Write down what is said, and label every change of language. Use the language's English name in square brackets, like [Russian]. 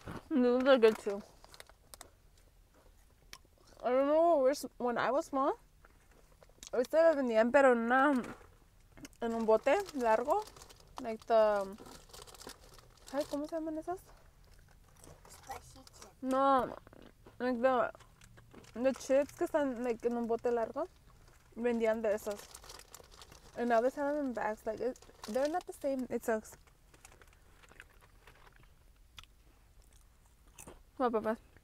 [English] These are good too. I remember when I was small. [Spanish] Ahorita las vendían, pero en un bote largo. [English] Like the [Spanish] ¿Sabes cómo se llaman esas? [English] Spicy [Spanish] no, [English] like the chips [Spanish] que están like en un bote largo, vendían de esas. [English] And now they sell them in bags. Like, they're not the same. It sucks. My papa.